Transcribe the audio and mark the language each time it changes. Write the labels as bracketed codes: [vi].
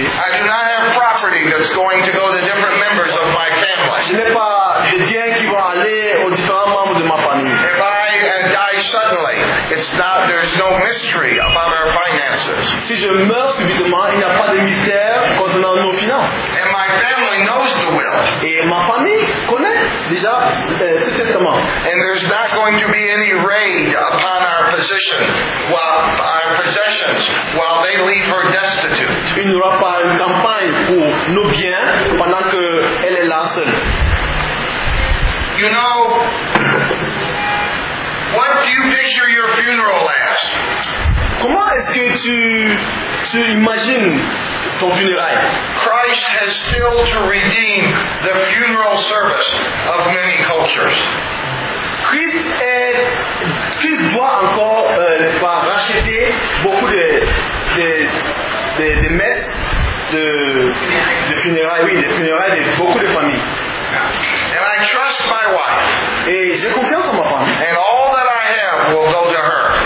[en] I do not have property that's going to go to different members of my family. [fr] Je n'ai pas des biens qui vont aller aux différents membres de ma famille. [en] If I die suddenly, it's not, there's no mystery about our finances. [fr] Si je meurs subitement, il n'y a pas de mystère concernant nos finances. [en] And my family knows the will. [fr] Et ma famille connaît déjà ce testament. [en] And there's not going to be any raid upon our position, our possessions, while they leave her destitute. [fr] Il n'y aura pas une campagne pour nos biens pendant qu'elle est là seule. [en] You know, what do you picture your funeral as? [fr] Comment est-ce que tu imagines ton funérailles? [en] Christ has still to redeem the funeral service of many cultures. [fr] Christ doit encore racheter beaucoup de messes de funérailles, oui, des funérailles de beaucoup de familles. [en] And I trust my wife. [fr] Et j'ai confiance en ma femme. [en] And all that I have will go to her.